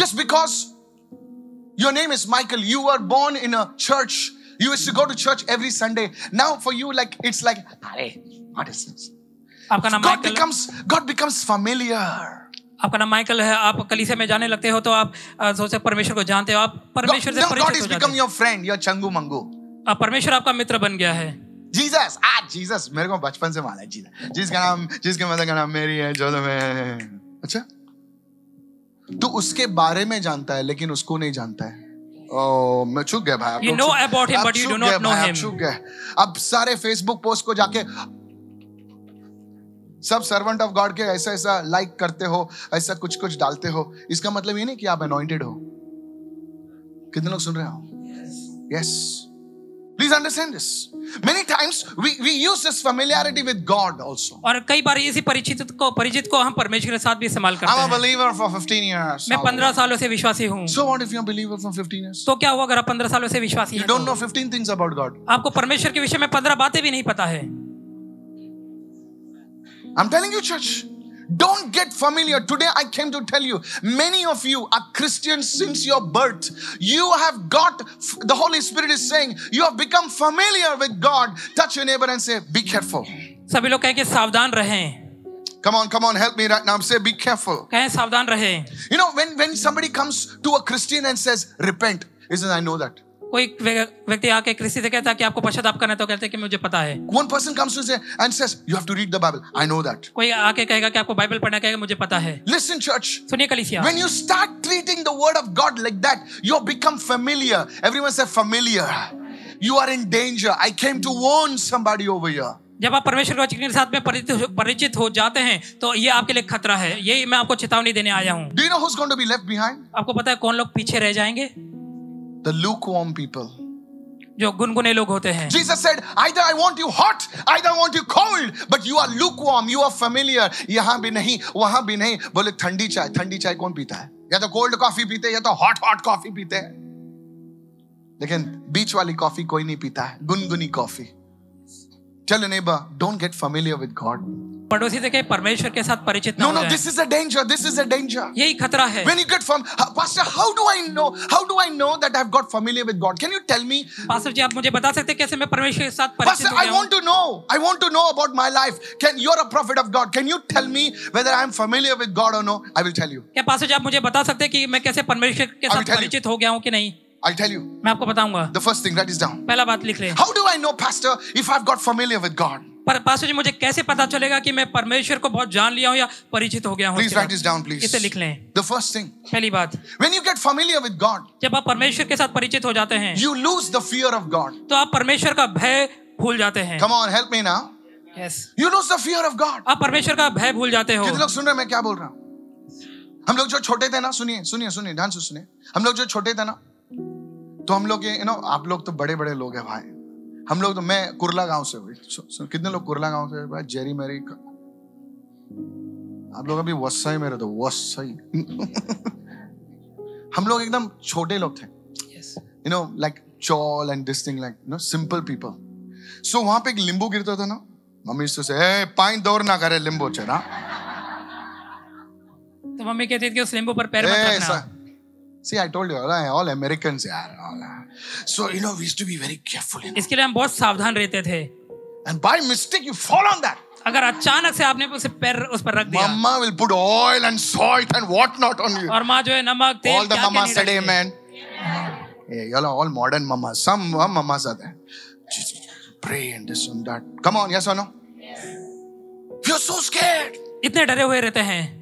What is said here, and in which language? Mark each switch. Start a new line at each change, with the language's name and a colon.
English: Just because your name is Michael, you were born in a church. You used to go to church every Sunday. Now for you, like it's like, अरे, what is this?
Hindi: आपका नाम
English: Michael. God becomes familiar.
Hindi: आपका नाम Michael है, आप कलीसिया में जाने लगते हो तो आप सोचते परमेश्वर को जानते हो, आप परमेश्वर से परिचित हो जाते हो.
English: God has become your friend, your
Hindi: Changu Mangu. आप परमेश्वर आपका मित्र बन गया है. Jesus, ah Jesus, मेरे को बचपन से माना है जीसस, जिसका नाम, जिसके मदर का नाम मेरी है, जो मैं. अच्छा, तू उसके बारे में जानता है लेकिन उसको नहीं जानता है. मैं चुक गया भाई.
English: You know about him but you do not know him.
Hindi: चुक गया. अब सारे फेसबुक पोस्ट को जाके सब सर्वेंट ऑफ गॉड के ऐसा ऐसा लाइक करते हो, ऐसा कुछ कुछ डालते हो, इसका मतलब ये नहीं कि आप अनॉइंटेड हो. कितने लोग सुन रहे हो. Yes,
English: please understand this. Many times we use this familiarity with God also.
Hindi: और कई बार इसी परिचित को हम परमेश्वर के साथ भी इस्तेमाल करते हैं.
English: I'm a believer for 15 years.
Hindi: मैं 15 सालों से विश्वासी हूँ.
English: So what if you're a believer for 15 years?
Hindi: तो क्या हुआ अगर आप 15 सालों से विश्वासी
English: हैं? You don't know 15 things about God.
Hindi: आपको परमेश्वर के विषय में 15 बातें भी नहीं पता है.
English: I'm telling you, church. Don't get familiar. Today I came to tell you, many of you are Christians since your birth. You have got, the Holy Spirit is saying, you have become familiar with God. Touch your neighbor and say, be careful.
Hindi: सभी लोग कहें कि सावधान रहें.
English: Come on, help me right now. Say, be careful.
Hindi: कहें सावधान रहें.
English: You know, when somebody comes to a Christian and says, repent, isn't I know that.
Hindi: कोई व्यक्ति आके क्रिश्चियन से कहता है कि आपको पश्चाताप करना है तो कहते हैं कि मुझे पता है.
English: One person comes to say and says, you have to read the Bible. I know that.
Hindi: कोई आके कहेगा कि आपको बाइबल पढ़ना, कहेगा मुझे पता है.
English: Listen, church.
Hindi: सुनिए कलीसिया.
English: When you start treating the word of God like that, you become familiar. Everyone say familiar. You are in danger. I came to warn somebody over here.
Hindi: जब आप परमेश्वर के वचन के साथ में परिचित हो जाते हैं तो ये आपके लिए खतरा है. ये मैं आपको चेतावनी देने आया हूँ.
English: Do you know who's going to be left behind?
Hindi: आपको पता है कौन लोग पीछे रह जाएंगे?
English: The lukewarm people.
Hindi: जो गुनगुने लोग होते हैं.
English: Jesus said, either I want you hot, either I want you cold, but you are lukewarm, you are familiar.
Hindi: यहाँ भी नहीं, वहाँ भी नहीं. बोले ठंडी चाय कौन पीता है? या तो cold coffee पीते हैं, या तो hot coffee पीते हैं. लेकिन बीच वाली coffee कोई नहीं पीता है, गुनगुनी coffee.
English: Tell your neighbor, don't get familiar with God.
Hindi: पड़ोसी से कहे परमेश्वर के साथ परिचित
English: ना हो. No, this is a danger. This is a danger.
Hindi: यही खतरा है.
English: When you get from Pastor, how do I know that I've got familiar with God? Can you tell me?
Hindi: Pastor जी, आप मुझे बता सकते हैं कैसे मैं परमेश्वर के साथ परिचित हूँ?
English: Pastor, I want to know about my life. Can you're a prophet of God? Can you tell me whether I'm familiar with God or no? I will tell you.
Hindi: क्या पास्टर जी, आप मुझे बता सकते हैं कि मैं कैसे परमेश्वर के साथ परिचित हो गया हूँ कि नहीं?
English: I'll tell you.
Hindi: मैं आपको बताऊंगा.
English: The first thing, write it down.
Hindi: पहला बात लिख ले.
English: How do I know, Pastor, if I've got familiar with God?
Hindi: पर पास्टर जी, मुझे कैसे पता चलेगा कि मैं परमेश्वर को बहुत जान लिया हूं या परिचित हो गया हूं?
English: Please write this down, please.
Hindi: इसे लिख लें.
English: The first thing.
Hindi: पहली बात.
English: When you get familiar with God.
Hindi: जब आप परमेश्वर के साथ परिचित हो जाते हैं.
English: You lose the fear of God.
Hindi: तो आप परमेश्वर का भय भूल जाते हैं.
English: Come on, help me now. Yes. You lose the fear of God.
Hindi: आप परमेश्वर का भय भूल जाते हो. कितने लोग सुन रहे हैं मैं क्या बोल रहा हूं? हम लोग जो छोटे थे ना, सुनिए ध्यान से सुनिए. हम लोग जो छोटे थे ना, तो हम लोग, यू नो, आप लोग तो बड़े बड़े लोग हैं भाई. हम लोग तो, मैं कुरला गांव से हूँ. कितने लोग कुरला गांव से भाई? जेरी मेरी का. आप लोग अभी वसई में रहते, वसई. हम लोग एकदम छोटे लोग थे,
English: You know, like chawl and this thing, like, you know, simple people.
Hindi: सो वहां पे एक लिंबू गिरता था ना, मम्मी से ए पाइन दौर ना करे लिंबू चेरा. तो मम्मी कहती थी उस लिंबू पर पैर मत रखना.
English: See, I told you, all Americans, yaar, all. So, you know, we used to be very careful.
Hindi: इसके लिए हम बहुत सावधान रहते थे.
English: And by mistake, you fall on that.
Hindi: अगर अचानक से आपने उसे पैर उस पर रख दिया.
English: Mama will put oil and salt and what not on you.
Hindi: और माँ जो है नमक तेल.
English: All the mamas today, man. Yeah, all modern mamas. Some mamas are there. pray and this and that. Come on, yes or no? Yes. You're so scared.
Hindi: इतने डरे हुए रहते हैं.